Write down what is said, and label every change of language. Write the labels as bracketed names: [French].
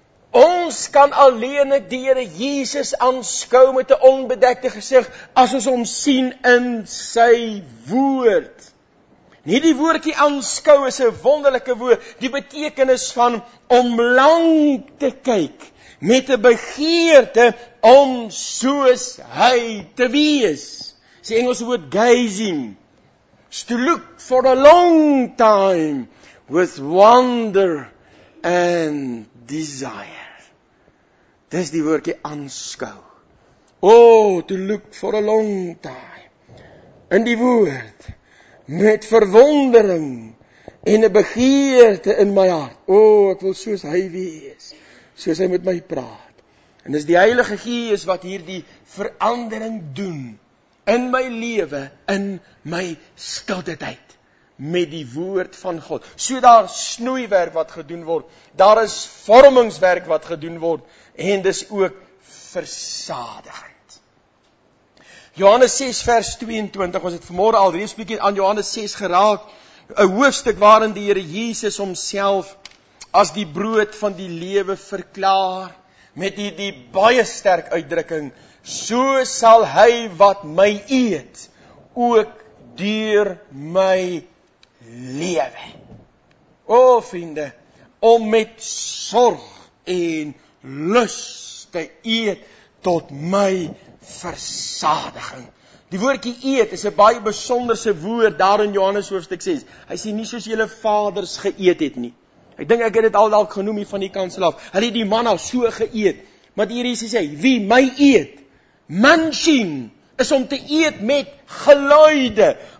[Afrikaans] Ons kan alleen die Here Jesus aanskou met 'n onbedekte gesig, as ons hom sien in sy woord. Nie die woordjie aanskou is 'n wonderlike woord, die betekenis van om lang te kyk, met 'n begeerte om soos hy te wees. Sê Engelse woord [English] gazing, to look for a long time, with wonder and desire. [Afrikaans] Dis die woordjie aanskou. [English] Oh, to look for a long time, [Afrikaans] in die woord, met verwondering en 'n begeerte in my hart. O, ek wil soos hy wees, soos hy met my praat. En dis die Heilige Gees wat hierdie verandering doen in my lewe, in my stilte tyd, met die woord van God. So daar snoeiwerk wat gedoen word, daar is vormingswerk wat gedoen word, en dis ook versadiging. Johannes 6 vers 22, ons het vanmorgen al reeds bietjie aan Johannes 6 geraak, 'n hoofstuk waarin die Here Jesus homself as die brood van die lewe verklaar, met die baie sterk uitdrukking, so sal hy wat my eet, ook deur my lewe. O vriende, om met sorg en lus te eet tot my versadiging. Die woordjie eet is 'n baie besonderse woord daar in Johannes hoofstuk 6. Hy sê nie soos julle vaders geëet het nie. Ek dink ek het dit al dalk genoem hier van die kansel af. Hulle het die manna so geëet. Maar die Here sê, wie my eet, munching, is om te eet met geluide.